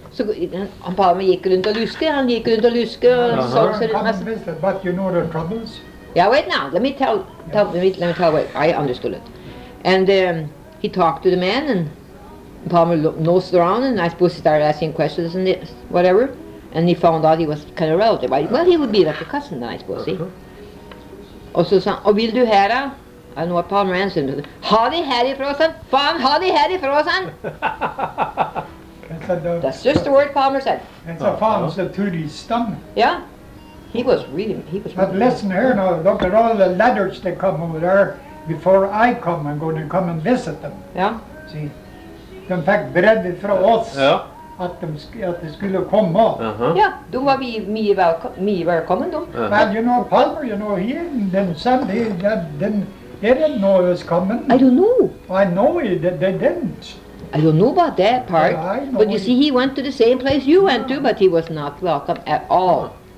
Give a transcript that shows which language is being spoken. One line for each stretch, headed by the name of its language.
Norwegian: Så han på ham gikk rundt og luske, han gikk rundt og luske.
English: But you know the troubles? Yeah, wait now. Let me tell, let me tell what I understood it. And he talked to the man and Palmer nosed around and I suppose he started asking questions and this, whatever. And he found out he was kind of relative. Right? Well, he would be like a cousin then, I suppose, see?
Norwegian: Og så sa han, og vil du ha det? Og nå var Palmer
English: answering to
Norwegian: det. Ha de her ifra oss han? Faen, ha de her ifra oss han?
English: That's just the word Palmer said. And so Palmer said to his stomach. Yeah. He was really, he was But really listen here now, look at all the letters that come over there before I come, I'm going to come and visit them. Yeah. See?
Norwegian: De fikk brevet fra oss at de skulle komme. Ja, de var mye velkommen, de.
English: Well, you know, Palmer, you know, he didn't send, they didn't know he was coming. I don't know. I know he, they didn't. I don't know about that part. But you see, he went to the same place you went to, but he was not welcome at all.